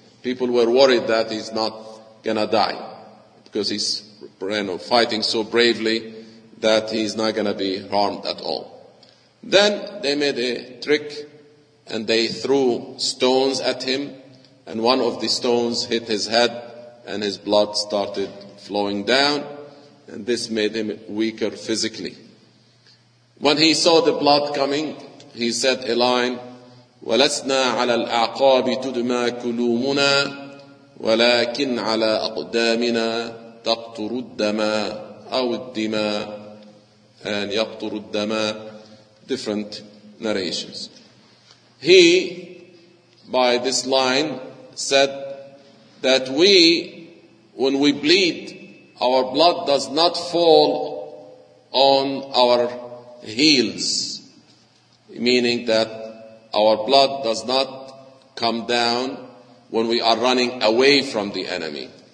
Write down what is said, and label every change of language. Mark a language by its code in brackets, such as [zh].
[en] People were worried that he's not gonna die because he's, you know, fighting so bravely that he's not gonna be harmed at all. Then they made a trick and they threw stones at him, and one of the stones hit his head and his blood started flowing down, and this made him weaker physically. When he saw the blood coming, he said a line, [ar] وَلَسْنَا عَلَى الْأَعْقَابِ تُدْمَى كُلُومُنَا وَلَكِنْ عَلَى أَقْدَامِنَا تَقْطُرُ الدَّمَى أَوْ الدِّمَى and يَقْطُرُ الدَّمَى. [en] Different narrations. He, by this line, said that we, when we bleed, our blood does not fall on our heels, meaning that our blood does not come down when we are running away from the enemy.